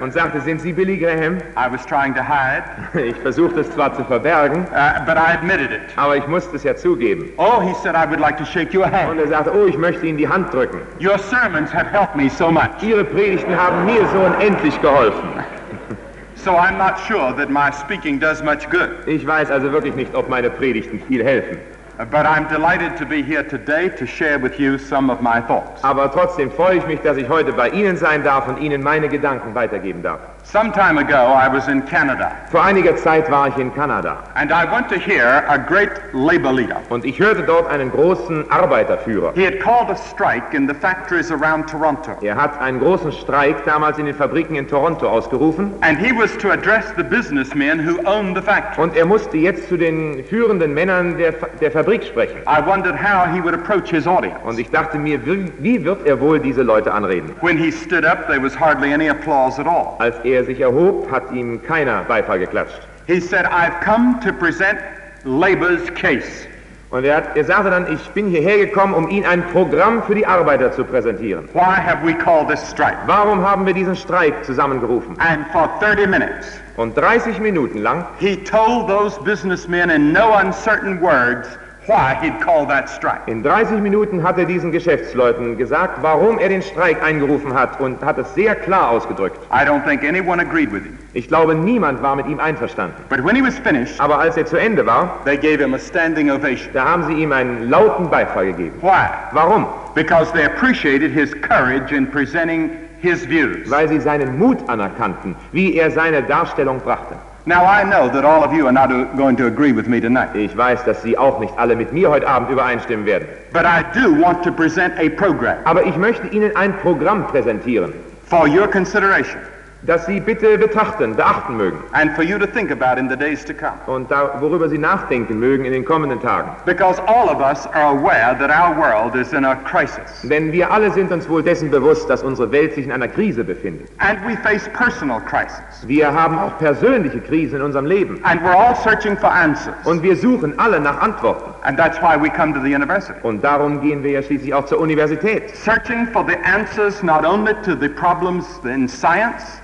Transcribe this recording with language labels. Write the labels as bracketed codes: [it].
[de] Und sagte, sind Sie Billy Graham? [en] I was trying to hide. [de] Ich versuchte es zwar zu verbergen, [en] but I admitted it. [de] Aber ich musste es ja zugeben. [en] Oh, he said, "I would like to shake your hand." [de] Und er sagte, oh, ich möchte Ihnen die Hand drücken. [en] Your sermons have helped me so much. [de] Ihre Predigten haben mir so unendlich geholfen. [en] So I'm not sure that my speaking does much good. [de] Ich weiß also wirklich nicht, ob meine Predigten viel helfen. [en] But I'm delighted to be here today to share with you some of my thoughts. [de] Aber trotzdem freue ich mich, dass ich heute bei Ihnen sein darf und Ihnen meine Gedanken weitergeben darf. [en] Some time ago I was in Canada. [de] Vor einiger Zeit war ich in Kanada. [en] And I went to hear a great labor leader. [de] Und ich hörte dort einen großen Arbeiterführer. [en] He had called a strike in the factories around Toronto. [de] Er hat einen großen Streik damals in den Fabriken in Toronto ausgerufen. [en] And he was to address the businessmen who owned the factory. [de] Und er musste jetzt zu den führenden Männern der Fabrik sprechen. [en] I wondered how he would approach his audience. [de] Und ich dachte mir, wie wird er wohl diese Leute anreden? [en] When he stood up, there was hardly any applause at all. [de] Als er sich erhob, hat ihm keiner Beifall geklatscht. [en] He said, "I've come to present labor's case." [de] Und er sagte dann, ich bin hierher gekommen, um Ihnen ein Programm für die Arbeiter zu präsentieren. [en] Why have we called this strike? [de] Warum haben wir diesen Streik zusammengerufen? [en] And for 30 minutes, [de] und 30 Minuten lang, [en] he told those businessmen in no uncertain words why he'd called that strike. [de] In 30 Minuten hat er diesen Geschäftsleuten gesagt, warum er den Streik eingerufen hat und hat es sehr klar ausgedrückt. [en] I don't think anyone agreed with him. [de] Ich glaube, niemand war mit ihm einverstanden. [en] But when he was finished, [de] aber als er zu Ende war, [en] they gave him a standing ovation. [de] Da haben sie ihm einen lauten Beifall gegeben. [en] Why? [de] Warum? [en] Because they appreciated his courage in presenting his views. [de] Weil sie seinen Mut anerkannten, wie er seine Darstellung brachte. [en] Now I know that all of you are not going to agree with me tonight. [de] Ich weiß, dass Sie auch nicht alle mit mir heute Abend übereinstimmen werden. [en] But I do want to present a program. [de] Aber ich möchte Ihnen ein Programm präsentieren. [en] For your consideration. [de] Dass Sie bitte betrachten, beachten mögen. [en] And for you to think about in the days to come. [de] Und worüber Sie nachdenken mögen in den kommenden Tagen. [en] Because all of us are aware that our world is in a crisis. [de] Denn wir alle sind uns wohl dessen bewusst, dass unsere Welt sich in einer Krise befindet. [en] And we face personal crises. [de] Wir haben auch persönliche Krisen in unserem Leben. [en] And we're all searching for answers. [de] Und wir suchen alle nach Antworten. [en] And that's why we come to the university. [de] Und darum gehen wir ja schließlich auch zur Universität. [en] Searching for the answers not only to the problems in science.